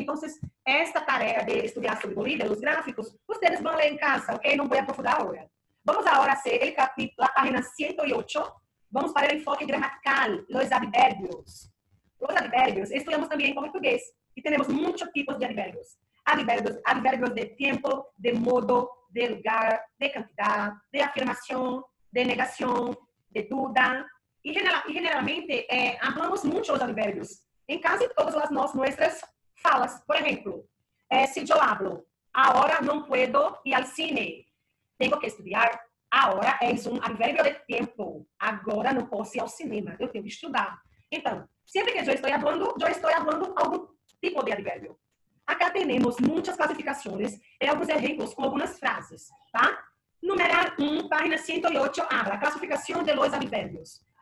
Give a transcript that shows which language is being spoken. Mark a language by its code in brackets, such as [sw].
[pt] Então, esta tarefa de estudar sobre Bolívia, os gráficos, vocês vão ler em casa, ok? Não vou aprofundar agora. Vamos agora ser o capítulo, a página 108. Vamos para o enfoque gramatical, os advérbios. Os advérbios, estudamos também em português, e temos muitos tipos de advérbios. [es] Adverbios, adverbios de tiempo, de modo, de lugar, de cantidad, de afirmación, de negación, de duda. Y generalmente hablamos mucho de adverbios en casi todas las nuestras falas. Por ejemplo, si yo hablo, ahora no puedo ir al cine, tengo que estudiar, [pt] Agora é isso, a velha de tempo. Agora não posso ir ao cinema, eu tenho que estudar. Então, sempre que eu estou falando, eu estou falando algum tipo de advérbio. Acá temos muitas classificações e alguns exemplos com algumas frases, tá? [es] Número 1, página 108, habla [pt] classificação [es] de los adverbios.